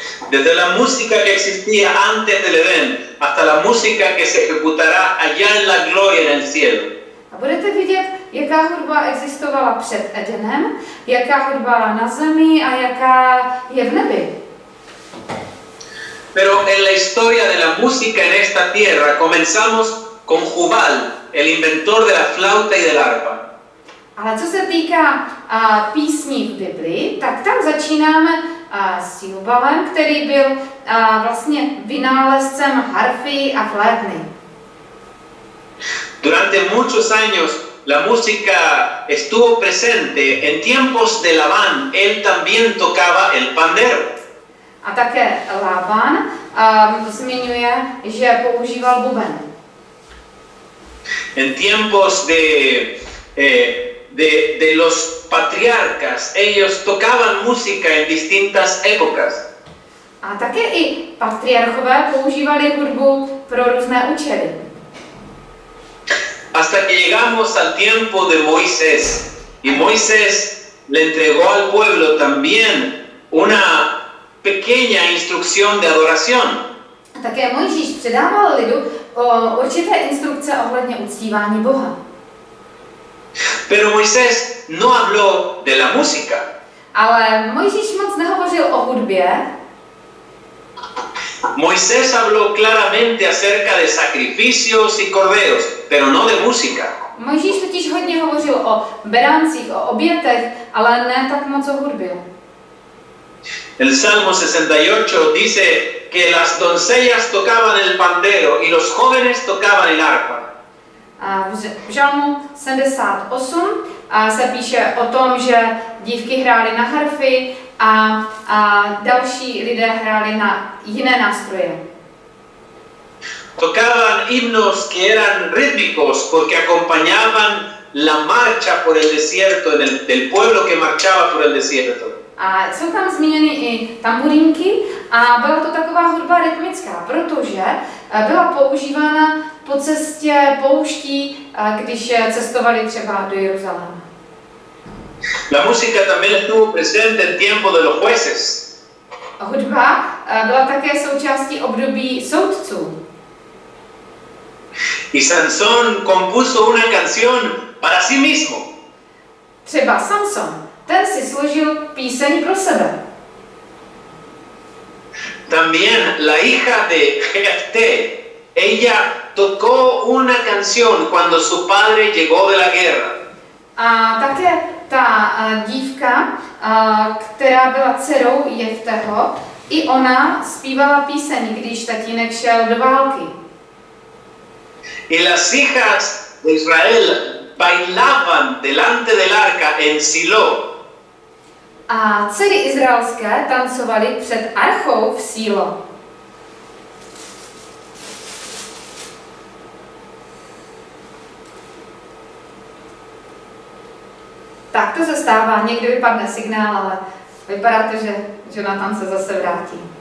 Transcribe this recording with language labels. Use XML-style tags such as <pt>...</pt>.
<es>Desde la música que existía antes del Edén hasta la música que se ejecutará allá en la gloria en el cielo.</es> <cs>A budete vidět, jaká hudba existovala před Edenem, jaká hudba na zemi a jaká je v nebi.</cs> <es>Pero en la historia de la música en esta tierra comenzamos con Jubal, el inventor de la flauta y del arpa.</es> <cs>Ale co se týká písní v Biblii, tak tam začínáme s Jubalem, který byl vlastně vynálezcem harfy a flétny.</cs> <es>Durante muchos años la música estuvo presente. En tiempos de Labán, él también tocaba el pandero.</es> <cs>A také Labán zmiňuje, že používal buben.</cs> <es>En tiempos de los patriarcas, ellos tocaban música en distintas épocas.</es> <cs>A také i patriarchové používali hudbu pro různé účely.</cs> <es>Hasta que llegamos al tiempo de Moisés y Moisés le entregó al pueblo también una pequeña instrucción de adoración.</es> <cs>A také Mojžíš předával lidu určité instrukce ohledně uctívání Boha.</cs> <es>Pero Moisés no habló de la música.</es> <cs>Ale Mojžíš moc nehovořil o hudbě.</cs> <es>Moisés habló claramente acerca de sacrificios y corderos, pero no de música.</es> <cs>Mojžíš totiž hodně hovořil o berancích, o obětech, ale ne tak moc o hudbě.</cs> <es>El Salmo 68 dice que las doncellas tocaban el pandero y los jóvenes tocaban el arpa.</es> <cs>V Žalmu 78 se píše o tom, že dívky hrály na harfy a další lidé hráli na jiné nástroje.</cs> <es>Tocaban himnos que eran rítmicos porque acompañaban la marcha por el desierto del pueblo que marchaba por el desierto.</es> <cs>A jsou tam zmíněny i tamburínky a byla to taková hudba rytmická, protože byla používána po cestě pouští, když cestovali třeba do Jeruzaléma.</cs> <es>La música también estuvo presente en tiempo de los jueces.</es> <cs>Hudba byla také součástí období soudců.</cs> <es>Y Sansón compuso una canción para sí mismo.</es> <cs>Třeba Samson, ten si složil píseň pro sebe.</cs> <es>También la hija de Jefté, ella tocó una canción cuando su padre llegó de la guerra.</es> <cs>A také ta dívka, která byla dcerou Jefteho, i ona zpívala píseň, když tatínek šel do války.</cs> <es>Y las hijas de Israel bailaban delante del arca en Silo.</es> <cs>A dcery izraelské tancovali před archou v Sílo. Tak to se stává, někdy vypadne signál, ale vypadá to, že Jonathan se zase vrátí.</cs>